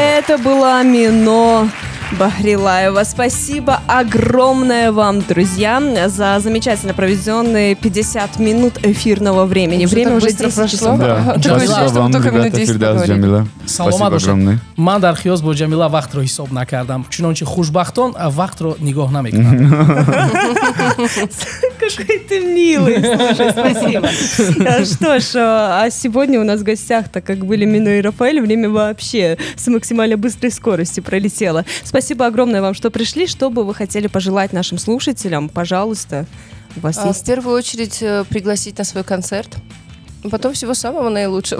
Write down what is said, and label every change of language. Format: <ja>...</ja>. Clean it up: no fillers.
<ru>Это была Мино Бахрилаева. Спасибо огромное вам, друзья, за замечательно проведенные 50 минут эфирного времени. Время уже 10 часов. Да. Спасибо вам, ребята, Фирдаус, Джамила. Спасибо огромное.</ru> <tg>Ман дар хиёз бо Джамила вахтро ҳисоб накардам. Чунончи хушбахтон вахтро нигоҳ намекунам.</tg> <ru>Какой ты милый. Слушай, спасибо. Что ж, а сегодня у нас в гостях, так как были Мино и Рафаэль, время вообще с максимально быстрой скоростью пролетело. Спасибо огромное вам, что пришли. Что бы вы хотели пожелать нашим слушателям? Пожалуйста, у вас есть... В первую очередь пригласить на свой концерт. Потом всего самого наилучшего.</ru>